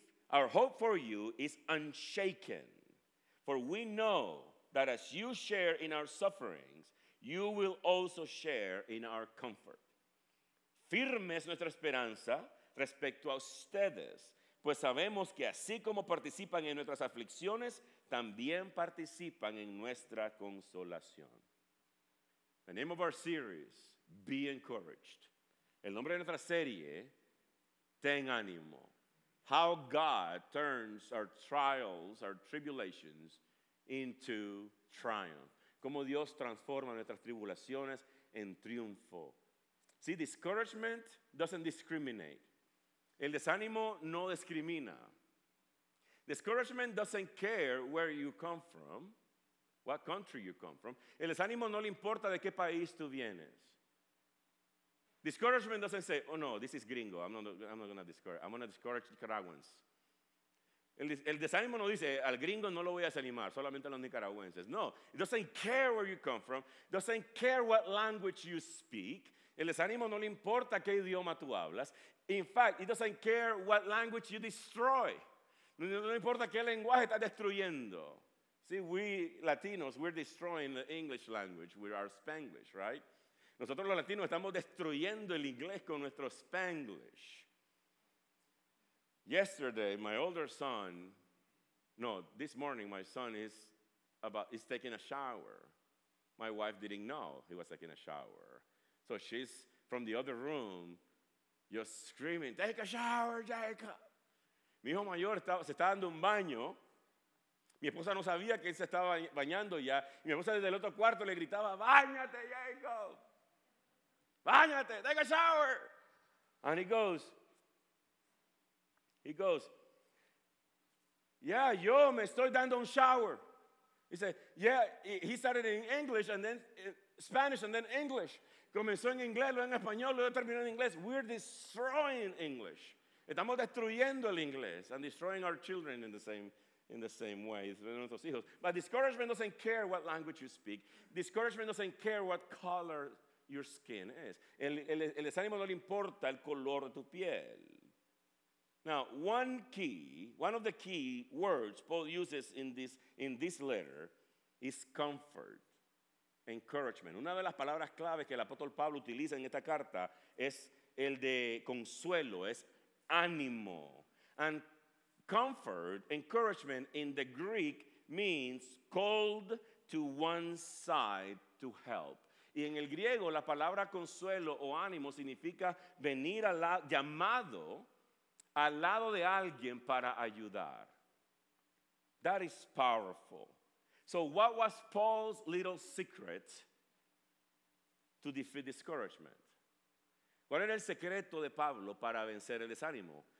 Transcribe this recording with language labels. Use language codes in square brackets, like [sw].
[en] Our hope for you is unshaken, for we know that as you share in our sufferings, you will also share in our comfort. [es] Firme es nuestra esperanza respecto a ustedes, pues sabemos que así como participan en nuestras aflicciones, también participan en nuestra consolación. [en] The name of our series, Be Encouraged. [es] El nombre de nuestra serie, Ten Ánimo. [en] How God turns our trials, our tribulations, into triumph. [es] Como Dios transforma nuestras tribulaciones en triunfo. [en] See, discouragement doesn't discriminate. [es] El desánimo no discrimina. [en] Discouragement doesn't care where you come from, what country you come from. [es] El desánimo no le importa de qué país tú vienes. [en] Discouragement doesn't say, "Oh no, this is gringo. I'm not going to discourage. I'm going to discourage Nicaraguans." [es] El desánimo no dice, al gringo no lo voy a desanimar, solamente a los nicaragüenses. [en] No, it doesn't care where you come from, doesn't care what language you speak. [es] El desánimo no le importa qué idioma tú hablas. [en] In fact, it doesn't care what language you destroy. [es] No le importa qué lenguaje estás destruyendo. [en] See, we Latinos, we're destroying the English language with our Spanglish, right? [es] Nosotros los latinos estamos destruyendo el inglés con nuestro Spanglish. [en] Yesterday, my older son, no, this morning, my son is taking a shower. My wife didn't know he was taking a shower. So she's from the other room, just screaming, "Take a shower, Jacob!" [es] Mi hijo mayor se está dando un baño. Mi esposa no sabía que él se estaba bañando ya. Mi esposa desde el otro cuarto le gritaba, "Báñate, Jacob! [en] Báñate, take a shower!" And he goes, "Yeah, [es] yo me estoy dando un [en] shower." He said, "Yeah," he started in English and then Spanish and then English. [es] Comenzó en inglés, luego en español, luego terminó en inglés. [en] We're destroying English. [es] Estamos destruyendo el inglés [en] and destroying our children in the same way. But discouragement doesn't care what language you speak. Discouragement doesn't care what color your skin is. [es] El desánimo no le importa el color de tu piel. [en] Now, one of the key words Paul uses in this letter is comfort. encouragement. [es] Una de las palabras claves que el apóstol Pablo utiliza en esta carta es el de consuelo, es ánimo. [en] And comfort, encouragement in the Greek means called to one side to help. [es] Y en el griego la palabra consuelo o ánimo significa venir al lado, llamado al lado de alguien para ayudar. [en] That is powerful. So what was Paul's little secret to defeat discouragement? [es] ¿Cuál era el secreto de Pablo para vencer el desánimo?